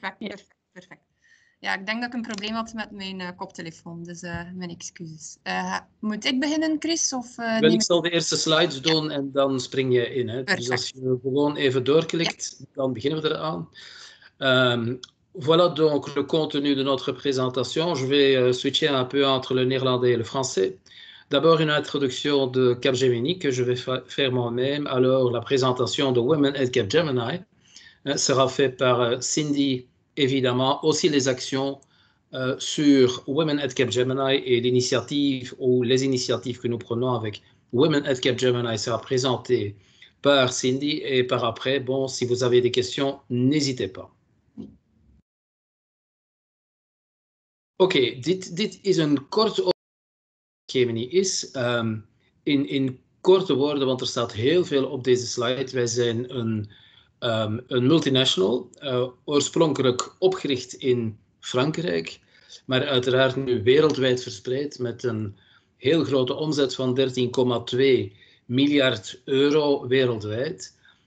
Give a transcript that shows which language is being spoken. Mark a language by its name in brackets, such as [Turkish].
[Dutch] Ah, perfect. Ja, ik denk dat ik een probleem had met mijn koptelefoon, dus mijn excuses. Moet ik beginnen, Chris? Of, ik zal de eerste slides doen en dan spring je in. Hè. Dus als je gewoon even doorklikt, dan beginnen we eraan. [French] Voilà donc le contenu de notre présentation. Je vais switcher un peu entre le néerlandais et le français. D'abord, une introduction de Capgemini que je vais faire moi-même. Alors, la présentation de Women at Capgemini sera faite par Cindy, évidemment. Aussi, les actions sur Women at Capgemini et l'initiative ou les initiatives que nous prenons avec Women at Capgemini sera présentée par Cindy. Et par après, bon, si vous avez des questions, n'hésitez pas. [Dutch] Oké, dit is een korte Capgemini is. In korte woorden, want er staat heel veel op deze slide. Wij zijn een multinational, oorspronkelijk opgericht in Frankrijk, maar uiteraard nu wereldwijd verspreid met een heel grote omzet van 13,2 miljard euro wereldwijd.